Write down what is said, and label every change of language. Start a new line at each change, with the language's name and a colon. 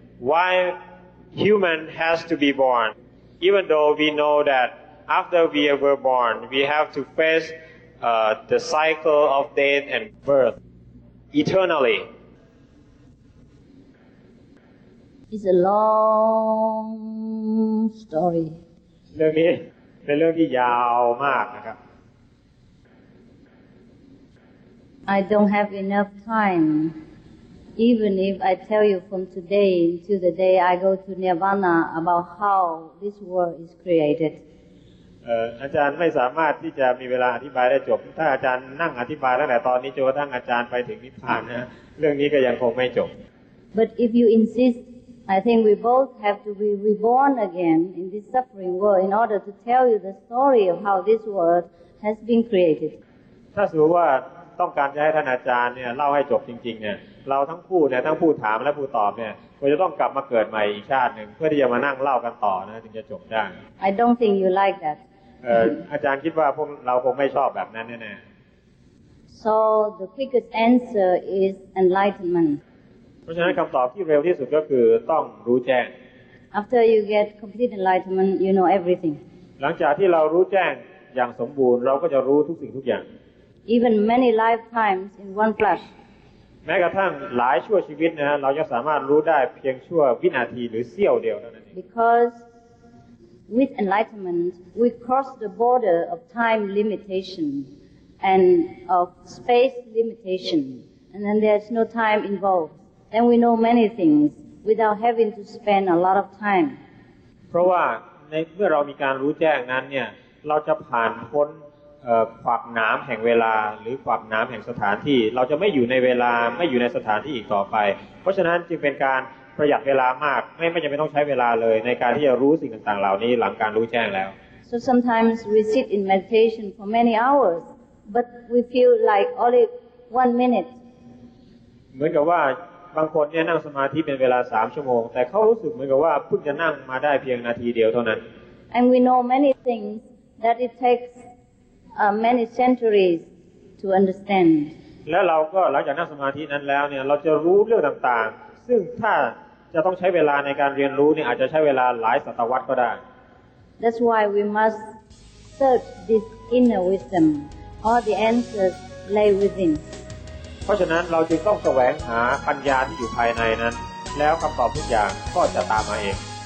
English: Why human has to be born? Even though we know that after we were born, we have to face the cycle of death and birth eternally. It's a long story.
Thai: เรื่องนี้เป็นเรื่องที่ยาวมากนะครับ
English: I don't have enough time. Even if I tell you from today to the day I go to Nirvana about how this world is created,
Thai: อาจารย์ไม่สามารถที่จะมีเวลาอธิบายได้จบถ้าอาจารย์นั่งอธิบายตั้งแต่ตอนนี้จนกระทั่งอาจารย์ไปถึงนิพพานนะเรื่องนี้ก็ยังคงไม่จบ
English: But if you insist, I think we both have to be reborn again in this suffering world in order to tell you the story of how this world has been created.
Thai: ถ้าสมมติว่าต้องการจะให้ท่านอาจารย์เนี่ยเล่าให้จบจริงๆเนี่ยเราทั้งผู้เนี่ยทั้งผู้ถามและผู้ตอบเนี่ยควรจะต้องกลับมาเกิดใหม่อีกชาตินึงเพื่อที่จะมานั่งเล่ากันต่อนะถึงจะจบได้
English: I don't think you like that
Thai: อาจารย์คิดว่าพวกเราคงไม่ชอบแบบนั้นแน่
English: ๆ So the quickest answer is enlightenment
Thai: เพราะฉะนั้นคำตอบที่เร็วที่สุดก็คือต้องรู้แจ้ง
English: After you get complete enlightenment you know everything
Thai: หลังจากที่เรารู้แจ้งอย่างสมบูรณ์เราก็จะรู้ทุกสิ่งทุกอย่าง
English: Even many lifetimes in one flash
Thai: แม้กระทั่งหลายชั่วชีวิตนะฮะเราจะสามารถรู้ได้เพียงชั่ววินาทีหรือเสี้ยวเดียวเท่านั้นเอง
English: Because with enlightenment we cross the border of time limitation and of space limitation and then there's no time involved then we know many things without having to spend a lot of time
Thai: เพราะว่าในเมื่อเรามีการรู้แจ้งนั้นเนี่ยเราจะผ่านพ้นขวากหนามแห่งเวลาหรือขวากหนามแห่งสถานที่เราจะไม่อยู่ในเวลาไม่อยู่ในสถานที่อีกต่อไปเพราะฉะนั้นจึงเป็นการประหยัดเวลามากไม่จำเป็นต้องใช้เวลาเลยในการที่จะรู้สิ่งต่างๆเหล่านี้หลังการรู้แจ้งแล้ว
English: So sometimes we sit in meditation for many hours but we feel like only 1 minute
Thai: เหมือนกับว่าบางคนเนี่ยนั่งสมาธิเป็นเวลา3 ชั่วโมงแต่เขารู้สึกเหมือนกับว่าเพิ่งจะนั่งมาได้เพียงนาทีเดียวเท่านั้น
English: And we know many things that it takesmany centuries to understand
Thai: แล้วเราก็หลังจากนั่งสมาธินั้นแล้วเนี่ยเราจะรู้เรื่องต่างๆซึ่งถ้าจะต้องใช้เวลาในการเรียนรู้เนี่ยอาจจะใช้เวลาหลายศตวรรษก็ได้
English: That's why we must search this inner wisdom all the answers lay within
Thai: เพราะฉะนั้นเราจึงต้องแสวงหาปัญญาที่อยู่ภายในนั้นแล้วคำตอบทุกอย่างก็จะตามมาเอง